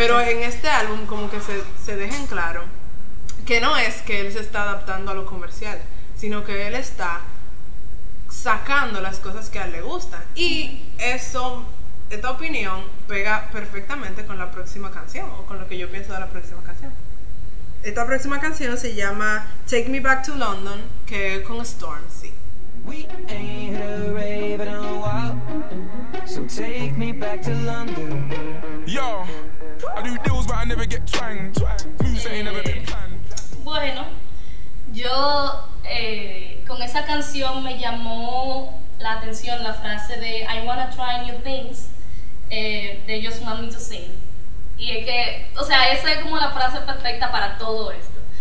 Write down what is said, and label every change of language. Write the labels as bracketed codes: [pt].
[es] Pero en este álbum como que se dejen claro que no es que él se está adaptando a lo comercial, sino que él está sacando las cosas que a él le gustan. Y eso, esta opinión, pega perfectamente con la próxima canción, o con lo que yo pienso de la próxima canción. Esta próxima canción se llama Take Me Back to London, que es con Stormzy. [en] We ain't had a rave in a while, so take me back to London. Yo, I do deals but I never get twanged, moves that ain't never been planned. [es] Bueno, yo con esa canción me llamó la atención la frase de [en] I wanna try new things [es] de Just Want Me to Sing. Y es que, o sea, esa es como la frase perfecta para todo esto.